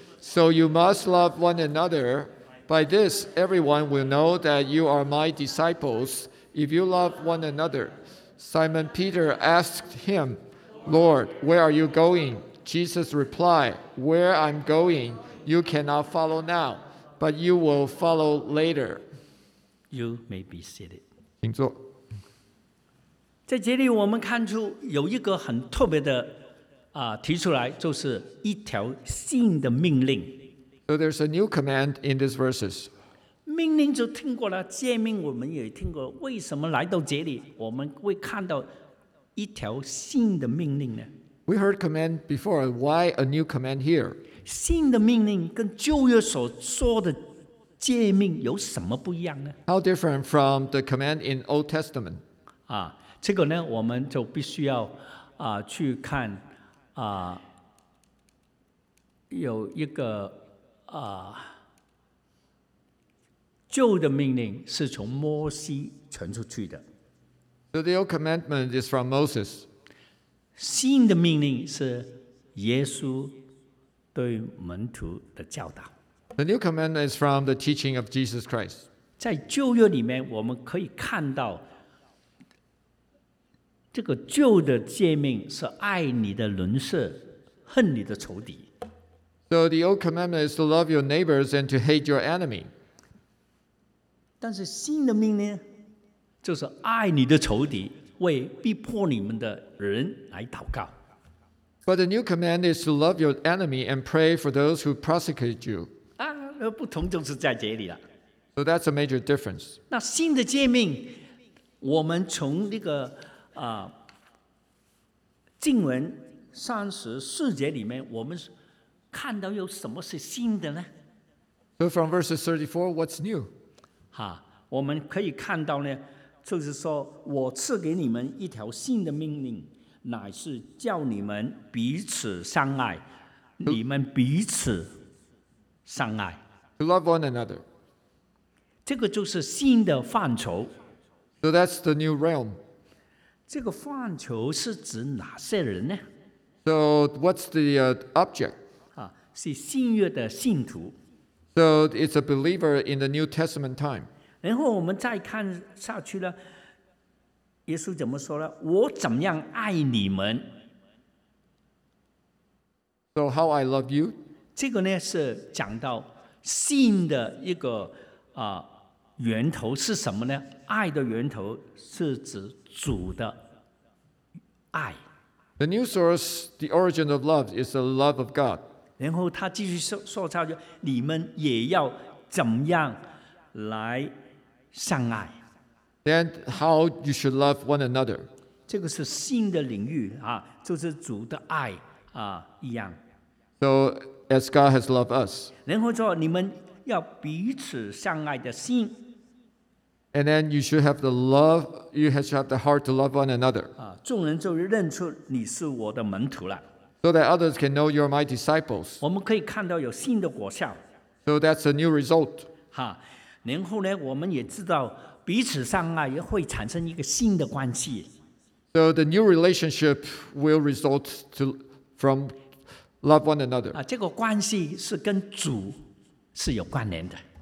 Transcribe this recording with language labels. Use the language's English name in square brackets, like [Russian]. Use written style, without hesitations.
[English] So you must love one another. By this, everyone will know that you are my disciples if you love one another. Simon Peter asked him, "Lord, where are you going?" Jesus replied, "Where I'm going, you cannot follow now, but you will follow later." You may be seated. [Chinese] 请坐。在这里我们看出有一个很特别的提出来，就是一条新的命令。 [English] So there's a new command in these verses. [Chinese] 命令就听过了，诫命我们也听过，为什么来到这里我们会看到一条新的命令呢？ [English] We heard command before, why a new command here? [Chinese] 新的命令跟旧约所说的诫命有什么不一样呢？ [English] How different from the command in Old Testament? [Chinese] 这个呢，我们就必须要去看有一个旧的命令是从摩西传出去的。 [English] So the old commandment is from Moses. [Chinese] 新的命令是耶稣对门徒的教导。 [English] The new commandment is from the teaching of Jesus Christ. [Chinese] 在旧约里面，我们可以看到这个旧的诫命是爱你的邻舍，恨你的仇敌。 [English] So the old commandment is to love your neighbors and to hate your enemy. [Chinese] 但是新的命令就是爱你的仇敌，为逼迫你们的人来祷告。 [English] But the new command is to love your enemy and pray for those who persecute you. [Chinese] 啊，不同就是在这里了。 [English] So that's a major difference. [Chinese] 那新的诫命，我们从那个经文三十四节里面，我们看到有什么是新的呢 [English] ？So from verses 34, what's new? [Chinese] 哈，我们可以看到呢。就是说我赐给你们一条新的命令，乃是叫你们彼此相爱，你们彼此相爱。 [English] To love one another. [Chinese] 这个就是新的范畴。 [English] So that's the new realm. [Chinese] 这个范畴是指哪些人呢 [English] ？So what's the object? [Chinese] 啊，是新约的信徒。 [English] So it's a believer in the New Testament time. [Chinese] 然后我们再看下去呢，耶稣怎么说呢？我怎么样爱你们 [English] ？So how I love you？ [Chinese] 这个呢是讲到信的一个源头是什么呢？爱的源头是指主的爱。 [English] The new source, the origin of love, is the love of God. [Chinese] 然后他继续说下去，你们也要怎么样来？相爱 [English] Then how you should love one another. [Chinese] 这个是新的领域、啊、就是主的爱、啊、一样 [English] So as God has loved us. [Chinese] 然后说你们要彼此相爱的心 [English] And then you should have the love, you should have the heart to love one another.、 [Chinese] 啊、众人就认出你是我的门徒了 [English] So that others can know you're my disciples. [Chinese] 我们可以看到有新的果效 [English] So that's a new result.、 [Chinese] 啊然后呢，我们也知道彼此相爱也会产生一个新的关系。 [English] So the new relationship will result to from love one another. [Chinese] 啊，这个关系是跟主是有关联的。